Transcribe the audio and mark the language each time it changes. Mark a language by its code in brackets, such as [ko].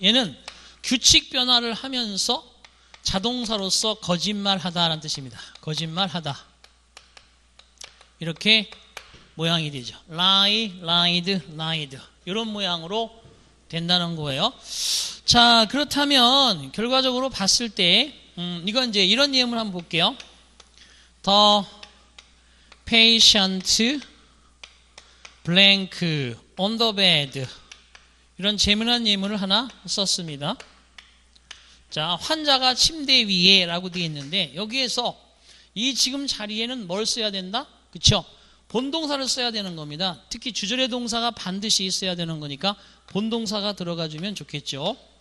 [ko] 얘는 규칙 변화를 하면서 자동사로서 거짓말하다라는 뜻입니다. 거짓말하다. 이렇게 모양이 되죠. 라이, 라이드, 라이드. 이런 모양으로 된다는 거예요. 자, 그렇다면 결과적으로 봤을 때 이건 이제 이런 예문 한번 볼게요. [en] The patient blank on the bed. [ko] 이런 재미난 예문을 하나 썼습니다. 자, 환자가 침대 위에 라고 되어 있는데 여기에서 이 지금 자리에는 뭘 써야 된다? 그쵸? 본동사를 써야 되는 겁니다. 특히 주절의 동사가 반드시 있어야 되는 거니까 본동사가 들어가 주면 좋겠죠.